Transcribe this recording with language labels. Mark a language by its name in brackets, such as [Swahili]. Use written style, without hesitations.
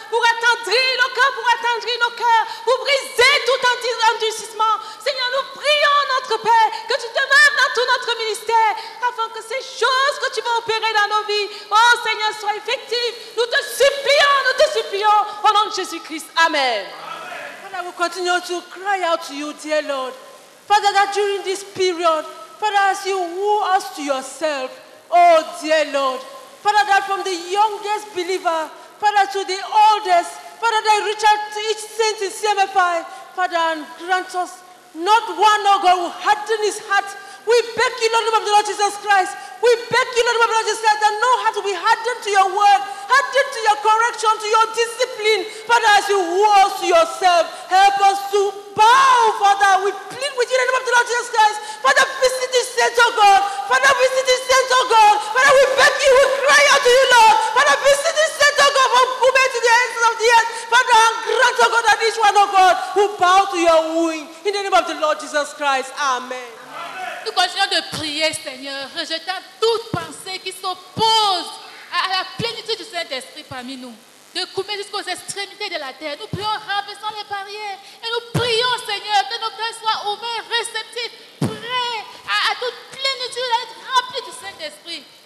[French] Pour attendrir nos cœurs, pour attendrir nos cœurs. Pour briser tout endurcissement. Seigneur, nous prions, notre Père, que tu te mêles dans tout notre ministère afin que ces choses que tu vas opérer dans nos vies, oh Seigneur, soient effectives. Nous te supplions, au nom de Jésus-Christ. Amen. [English] Father, we continue to cry out to you, dear Lord. Father, that during this period, Father, as you woo us to yourself, oh dear Lord, Father, that from the youngest believer, Father, to the oldest, Father, that reach out to each saint in CMFI, Father, and grant us not one, oh God, who harden his heart. We beg you, Lord, of the Lord Jesus Christ. We beg you, Lord, of the Lord Jesus Christ, that no heart will be hardened to your word, hardened to your correction, to your discipline. Father, as you woo us to yourself, help us to bow, Father. We plead with you, Lord, of the Lord Jesus Christ. Father, visit this saint, oh God. Father, visit this saint, oh God. Father, we beg you, we cry out to you, Lord. Father, visit this saint, oh God, from Kube to the ends of the earth. Father, and grant, oh God, that each one, oh God, will bow to your wooing. In the name of the Lord Jesus Christ, amen. [French] Nous continuons de prier, Seigneur, rejetant toute pensée qui s'oppose à la plénitude du Saint-Esprit parmi nous. De Koumé jusqu'aux extrémités de la terre, nous prions renversant les barrières. Et nous prions, Seigneur, que nos cœurs soient ouverts, réceptifs, prêts à toute plénitude, à être remplis du Saint-Esprit.